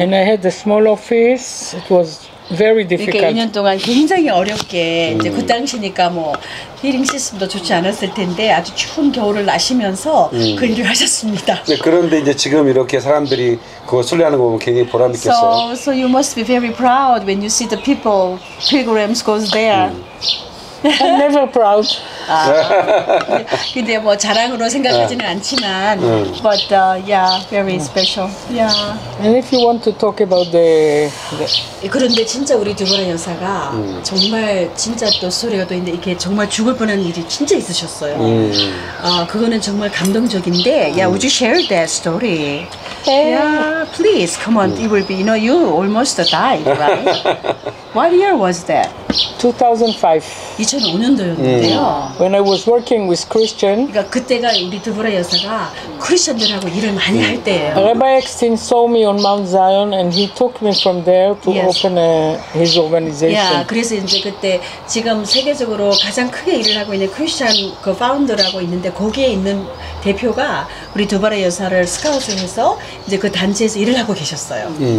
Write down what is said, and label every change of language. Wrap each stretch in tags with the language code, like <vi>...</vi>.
<en>And I had a small office. It was very difficult.</en> <ko>그러니까 2년 동안 굉장히 어렵게 이제 그 당시니까 뭐 히어링 시스템도 좋지 않았을 텐데 아주 추운 겨울을 나시면서 그 일을 하셨습니다. 네, 그런데 이제 지금 이렇게 사람들이 그 순례하는 거 보면 굉장히 보람있겠어요.</ko> <en>So you must be very proud when you see the people pilgrims goes there. I'm never proud.</en> <ko>아, 근데 뭐 자랑으로 생각하지는 않지만,</ko> <en>but yeah, very special. Yeah. And if you want to talk about the,</en> <ko>그런데 진짜 우리 두보라 여사가 정말 진짜 또 수레가도 있는데 이게 정말 죽을 뻔한 일이 진짜 있으셨어요. 그거는 정말 감동적인데,</ko> <en>yeah, would you share that story? Yeah, please, come on, it will be, you know, you almost died, right? What year was that? 2005.</en> <ko>2005년도였는데요.</ko> <en>When I was working with Christian.</en> <ko>그러니까 그때가 우리 드보라 여사가 크리스천들하고 일을 많이 할 때예요.</ko> <en>Rabbi Eckstein saw me on Mount Zion and he took me from there to open his organization.</en> <ko>Yeah, 그래서 이제 그때 지금 세계적으로 가장 크게 일을 하고 있는 크리스천 그 파운더라고 있는데 거기에 있는 대표가 우리 드보라 여사를 스카우트해서 이제 그 단체에서 일을 하고 계셨어요.</ko>